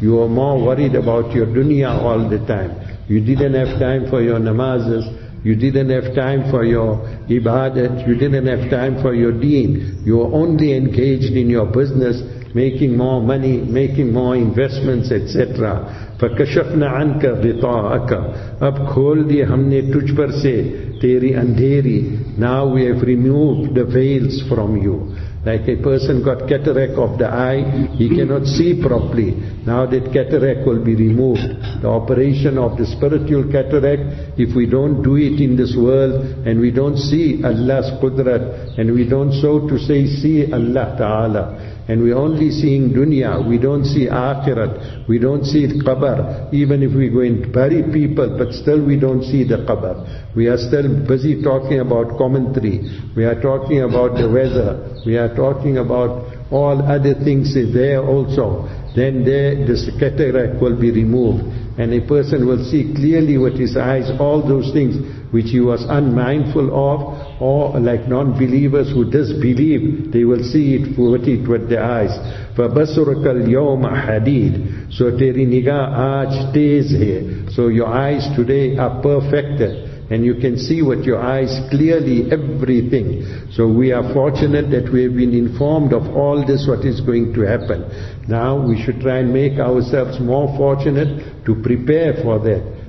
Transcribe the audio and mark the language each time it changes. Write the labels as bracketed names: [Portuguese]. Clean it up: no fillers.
[English] You are more worried about your dunya all the time. You didn't have time for your namazes. You didn't have time for your ibadat. You didn't have time for your deen. You are only engaged in your business, making more money, making more investments, etc. [Arabic] فَكَشَفْنَ عَنْكَ غِطَاءَكَ. [Urdu] اب کھول دی ہم نے تجھ پر سے تیری اندھیری. [English] Now we have removed the veils from you. Like a person got cataract of the eye, he cannot see properly. Now that cataract will be removed. The operation of the spiritual cataract, if we don't do it in this world, and we don't see Allah's Qudrat, and we don't so to say see Allah Ta'ala, and we're only seeing dunya, we don't see akhirat, we don't see the qabr, even if we go and bury people, but still we don't see the qabr. We are still busy talking about commentary, we are talking about the weather, we are talking about all other things there also. Then there this cataract will be removed, and a person will see clearly with his eyes all those things which he was unmindful of, or like non-believers who disbelieve, they will see it, put it with their eyes. [Arabic] فَبَصُرَكَ الْيَوْمَ حَدِيدٌ. [Urdu] So تَيْرِ نِگَاهْ آج تیز ہے. [English] So your eyes today are perfected, and you can see with your eyes clearly everything. So we are fortunate that we have been informed of all this, what is going to happen. Now we should try and make ourselves more fortunate to prepare for that.